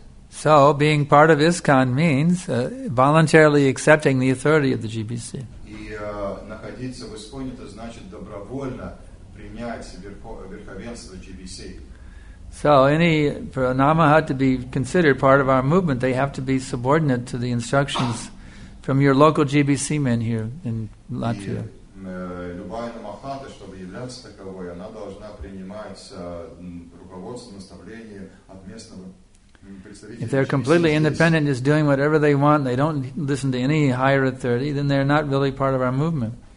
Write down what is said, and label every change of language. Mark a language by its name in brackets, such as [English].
[English] So being part of ISKCON means voluntarily accepting the authority of the GBC. [Russian] Находиться в Исконе, это значит добровольно принять верховенство GBC. [English] So any for Namahat to be considered part of our movement, they have to be subordinate to the instructions from your local GBC men here in Latvia. [Russian] Любая Намахата, чтобы являться таковой, она должна принимать руководство, наставление от местного. [English] If they're completely independent, just doing whatever they want, they don't listen to any higher authority, then they're not really part of our movement.